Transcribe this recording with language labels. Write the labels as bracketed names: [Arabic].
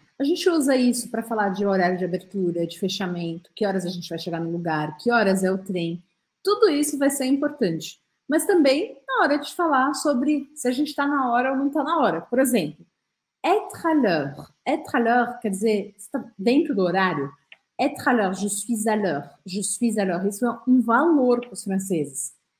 [Portuguese] A gente usa isso para falar de horário de abertura, de fechamento, que horas a gente vai chegar no lugar, que horas é o trem. Tudo isso vai ser importante, mas também na hora de falar sobre se a gente está na hora ou não está na hora. Por exemplo, [French] être à l'heure [Portuguese] quer dizer está dentro do horário. [French] Être à l'heure, je suis à l'heure. [Portuguese] Isso é um valor para os franceses.